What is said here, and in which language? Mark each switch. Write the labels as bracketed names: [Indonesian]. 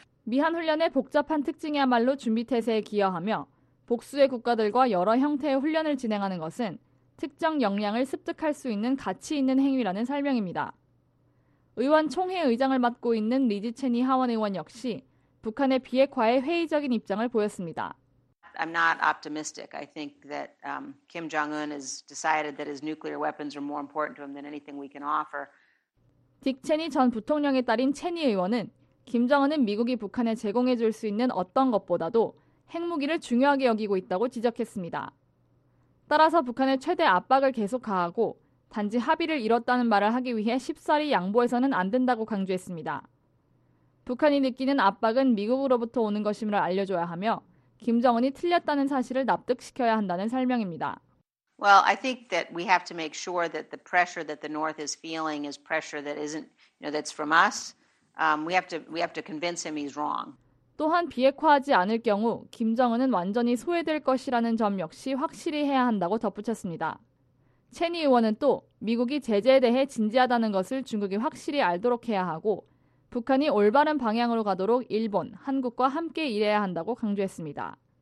[Korean] 미한 훈련의 복잡한 특징이야말로 준비 태세에 기여하며 복수의 국가들과 여러 형태의 훈련을 진행하는 것은 특정 역량을 습득할 수 있는 가치 있는 행위라는 설명입니다. 의원 총회 의장을 맡고 있는 리즈 체니 하원 의원 역시 북한의 비핵화에 회의적인 입장을 보였습니다. [English] I'm not optimistic. I think that Kim Jong-un has decided that his nuclear weapons are more important to him than anything we can offer. [Korean] 딕 체니 전 부통령의 딸인 체니 의원은 김정은은 미국이 북한에 제공해 줄 수 있는 어떤 것보다도 핵무기를 중요하게 여기고 있다고 지적했습니다. 따라서 북한에 최대 압박을 계속 가하고 단지 합의를 이뤘다는 말을 하기 위해 쉽사리 양보해서는 안 된다고 강조했습니다. 북한이 느끼는 압박은 미국으로부터 오는 것임을 알려줘야 하며 김정은이 틀렸다는 사실을 납득시켜야 한다는 설명입니다. [English] Well, I think that we have to make sure that the pressure that the North is feeling is pressure that isn't, you know, that's from us. We have to convince him he's wrong. [Korean] 또한 비핵화하지 않을 경우 김정은은 완전히 소외될 것이라는 점 역시 확실히 해야 한다고 덧붙였습니다. 체니 의원은 또 미국이 제재에 대해 진지하다는 것을 중국이 확실히 알도록 해야 하고 북한이 올바른 방향으로 가도록 일본, 한국과 함께 일해야 한다고 강조했습니다.